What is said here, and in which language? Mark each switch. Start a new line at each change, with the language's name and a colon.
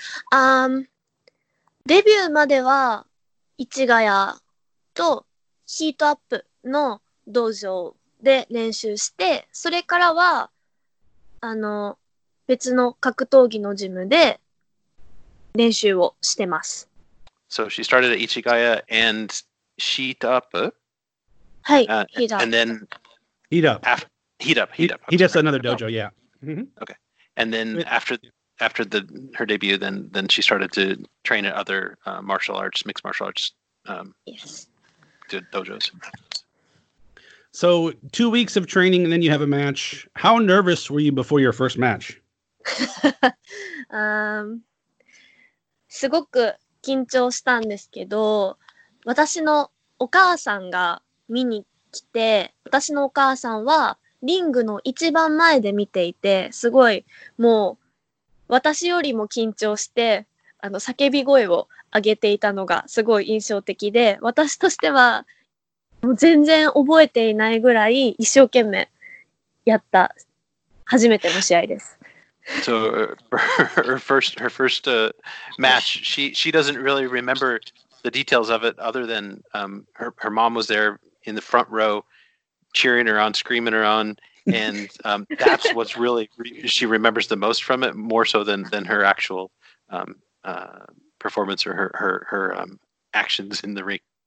Japanese: Debut までは市ヶ谷とヒートアップの道場で練習して、それからは、あの、別の格闘技のジムで練習をしてます。
English: So she started at 市ヶ谷 and Heat Up?
Japanese: はい、
English: Heat Up. And then... Heat Up. He does another dojo, yeah. Okay. And then after her debut, then she started to train at other martial arts, mixed martial arts dojos. So 2 weeks of training and then you have a match. How nervous were you before your first match?
Japanese: すごく緊張したんですけど、私のお母さんが見に来て、私のお母さんはリングの一番前で見ていて、すごいもう私よりも緊張して、あの、叫び声を上げていたのがすごい印象的で、私としては、もう全然覚えていないぐらい一生懸命やった初めての試合です。
English: So, her first match, she doesn't really remember the details of it other than her mom was there in the front row cheering her on, screaming her on. And that's what's really she remembers the most from it, more so than her actual performance or her actions in the ring.